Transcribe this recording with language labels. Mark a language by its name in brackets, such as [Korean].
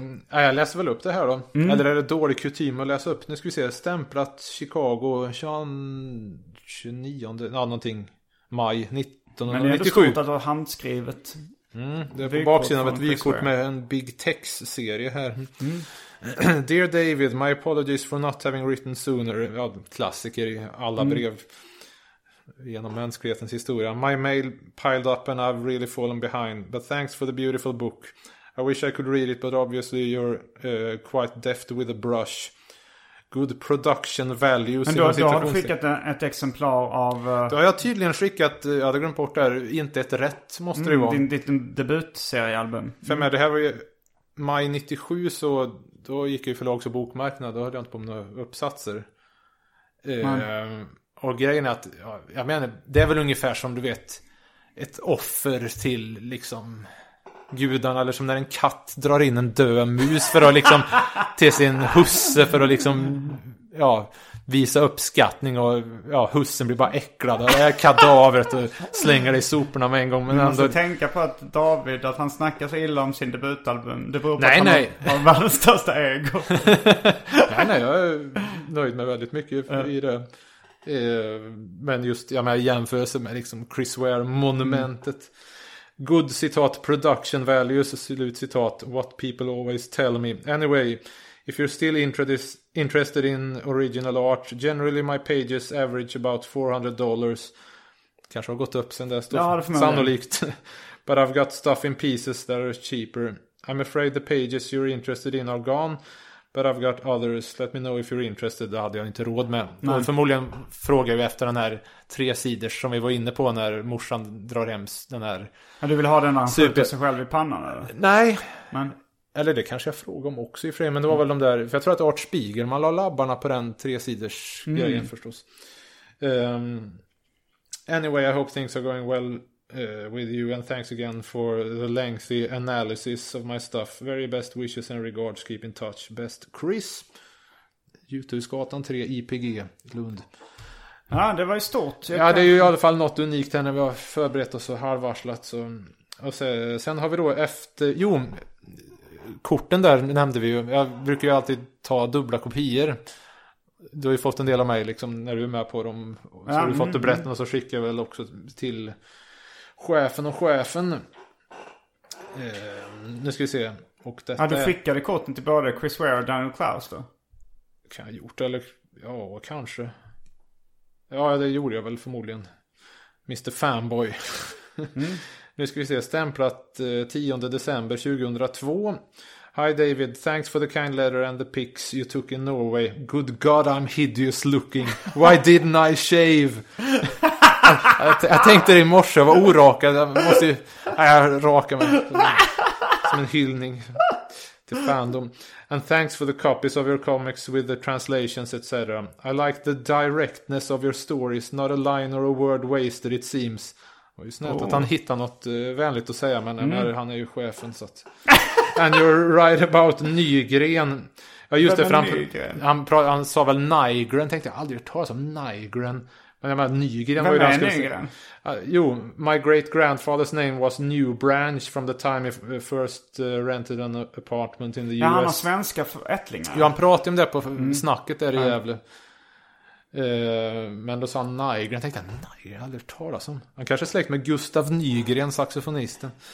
[Swedish] Jag läser väl upp det här då. Eller är det dålig kutym att läsa upp? Nu ska vi se, stämplat Chicago 29, ja, någonting, maj 19. Men det är inte stort att det var handskrivet. Mm, det är på baksidan av ett vykort med en Big Tex-serie här. Mm. [English] Dear David, my apologies for not having written sooner. [Swedish] Ja, klassiker i alla brev genom mänsklighetens historia. [English] My mail piled up and I've really fallen behind. But thanks for the beautiful book. I wish I could read it, but obviously you're quite deft with a brush. Good production value. [Swedish] Men då har du skickat ett exemplar av... Då har jag tydligen skickat, jag hade glömt bort det här, inte ett rätt måste det vara. Ditt debutseriealbum. För mig, det här var ju maj 97, så då gick ju förlags- och bokmarknad. Då hörde jag inte på några uppsatser. Och grejen är att, jag menar, det är väl ungefär som du vet, ett offer till liksom... gudan, eller som när en katt drar in en död mus för att liksom till sin husse för att liksom ja, visa uppskattning, och ja, hussen blir bara äcklad och det är kadavret och slänger det i soporna med en gång. Men du måste ändå tänka på att David, att han snackar så illa om sin debutalbum, det beror på nej, att nej. Han har världens största ego. Nej, nej, jag är nöjd med väldigt mycket i det. Men just, ja, men jag jämför sig med liksom Chris Ware-monumentet. [English] Good [Swedish] citat, [English] production values, [Swedish] slut citat, [English] what people always tell me. Anyway, if you're still interested in original art, generally my pages average about $400. [Swedish] Kanske har gått upp sen dess, ja, det är sannolikt. [English] But I've got stuff in pieces that are cheaper. I'm afraid the pages you're interested in are gone, but I've got others. Let me know if you're interested. [Swedish] Det hade jag inte råd med. Nej. Förmodligen frågar vi efter den här tre sidor som vi var inne på när morsan drar hem den här... Men du vill ha den här super... sig själv i pannan? Eller? Nej. Men... Eller det kanske jag frågar om också i frame. Men det var väl de där... För jag tror att Art Spiegel, man la labbarna på den tre sidors grejen förstås. [English] Anyway, I hope things are going well with you, and thanks again for the lengthy analysis of my stuff. Very best wishes and regards, keep in touch, best Chris. [Swedish] Juthusgatan 3, IPG Lund. Ja, det var ju stort. Ja, det är ju i alla fall något unikt här när vi har förberett oss och halvvarslat så. Och sen har vi då efter, jo, korten där nämnde vi ju, jag brukar ju alltid ta dubbla kopior. Du har ju fått en del av mig liksom när du är med på dem, så har du fått det berättat, och så skickar jag väl också till chefen och chefen. Nu ska vi se. Och detta, ja, du skickade korten till både Chris Ware och Daniel Klaus då? Kan jag gjort det? Eller? Ja, kanske. Ja, det gjorde jag väl förmodligen. Mr. Fanboy. Nu ska vi se. Stämplat 10 december 2002. [English] Hi David, thanks for the kind letter and the pics you took in Norway. Good God, I'm hideous looking. Why didn't I shave? [Swedish] Jag tänkte det i morse, jag var orakad. Jag måste ju, nej, jag rakar mig som en hyllning till fandom. [English] And thanks for the copies of your comics with the translations etc. I like the directness of your stories, not a line or a word wasted it seems. [Swedish] Och just nät att han hittar något vänligt att säga, men han är ju chefen så att. [English] And you're right about Nygren. [Swedish] Ja, just det, för han sa väl Nygren, tänkte jag aldrig ta som Nygren. Men jag menar, Nygren var ju ganska... [English] Jo, my great-grandfather's name was New Branch from the time he first rented an apartment in the US. [Swedish] Ja, han har svenska ättlingar. Jo, han pratade om det på snacket där i Gävle. Men då sa han Nygren. Jag tänkte, Nygren har aldrig talat om. Han kanske släkt med Gustav Nygren, saxofonisten.